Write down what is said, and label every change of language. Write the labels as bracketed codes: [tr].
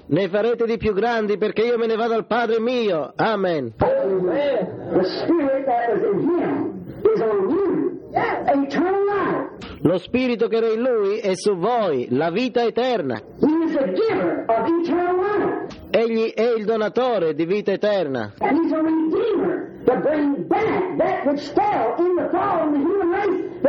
[it] Ne farete di più grandi perché io me ne vado al Padre mio. Amen. [en] The spirit that was in him is on you. Yes. Eternal life. [it] Lo spirito che era in lui è su voi, la vita eterna. [en] He is a giver of eternal life. [it] Egli è il donatore di vita eterna. [en] And he's a redeemer to bring back that which fell in the fall in the human race.